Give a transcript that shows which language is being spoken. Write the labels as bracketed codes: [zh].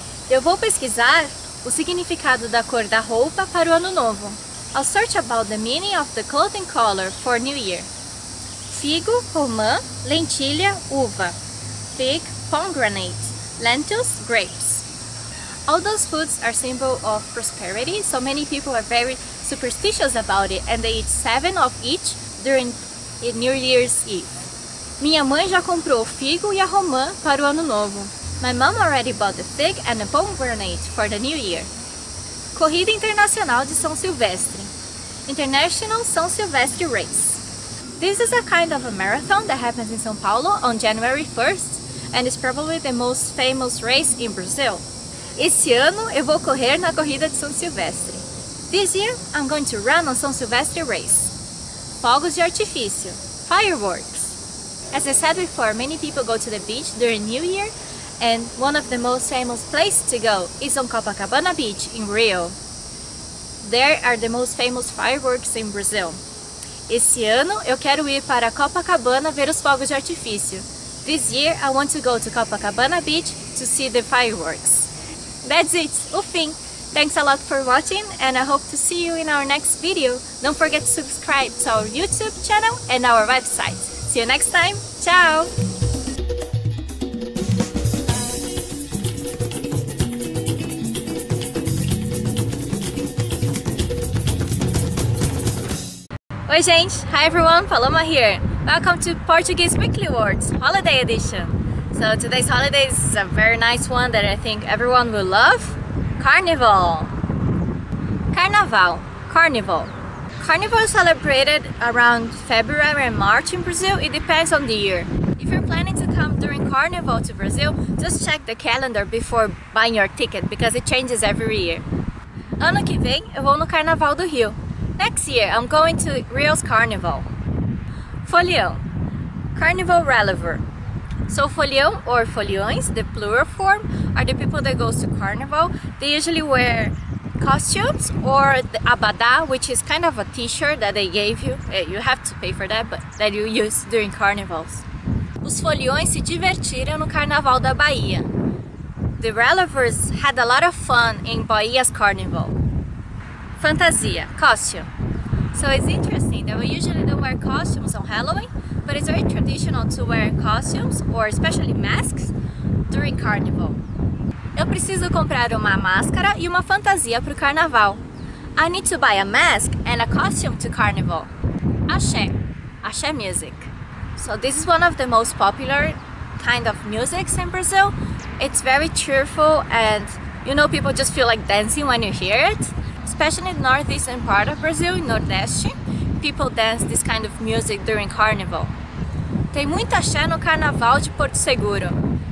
[pt] Eu vou pesquisar o significado da cor da roupa para o ano novo. [en] I'll search about the meaning of the clothing color for New Year. [pt] Figo, romã, lentilha, uva. [en] Fig, pomegranate, lentils, grapes. All those foods are symbol of prosperity, so many people are very superstitious about it and they eat 7 of each during New Year's Eve. [pt] Minha mãe já comprou o figo e a romã para o ano novo. [en] My mom already bought the fig and the pomegranate for the New Year. [pt] Corrida Internacional de São Silvestre. International São Silvestre Race. [en] This is a kind of a marathon that happens in São Paulo on January 1st and is probably the most famous race in Brazil. [pt] Esse ano eu vou correr na corrida de São Silvestre. [en] This year I'm going to run on São Silvestre race. Fogos de artifício, fireworks. As I said before, many people go to the beach during New Year and one of the most famous places to go is on Copacabana Beach in Rio. There are the most famous fireworks in Brazil. [pt] Esse ano eu quero ir para Copacabana ver os fogos de artifício. [en] This year I want to go to Copacabana Beach to see the fireworks. That's it, o fim. Thanks a lot for watching and I hope to see you in our next video. Don't forget to subscribe to our YouTube channel and our website. See you next time. Ciao! [pt] Oi, gente! [en] Hi, everyone! Paloma here. Welcome to Portuguese Weekly Words Holiday Edition. So today's holiday is a very nice one that I think everyone will love. Carnival. Carnaval. Carnival. Carnival is celebrated around February and March in Brazil. It depends on the year. If you're planning to come during Carnival to Brazil, just check the calendar before buying your ticket because it changes every year. [pt] Ano que vem, eu vou no Carnaval do Rio. [en] Next year, I'm going to Rio's Carnival. Folião. Carnival relever. So folião or foliões, the plural form, are the people that go to Carnival. They usually wear costumes or the abadá, which is kind of a t-shirt that they gave you. You have to pay for that, but that you use during carnivals. [pt] Os foliões se divertiram no Carnaval da Bahia. [en] The relevers had a lot of fun in Bahia's Carnival. Fantasia, costume. So it's interesting that we usually don't wear costumes on Halloween, but it's very traditional to wear costumes, or especially masks, during Carnival. [pt] Eu preciso comprar uma máscara e uma fantasia para o Carnaval. [en] I need to buy a mask and a costume to Carnival. Axé, axé music. So this is one of the most popular kind of musics in Brazil. It's very cheerful and, you know, people just feel like dancing when you hear it. Especially in the northeastern part of Brazil, in Nordeste, people dance this kind of music during Carnival. [pt] Tem muita axé no Carnaval de Porto Seguro.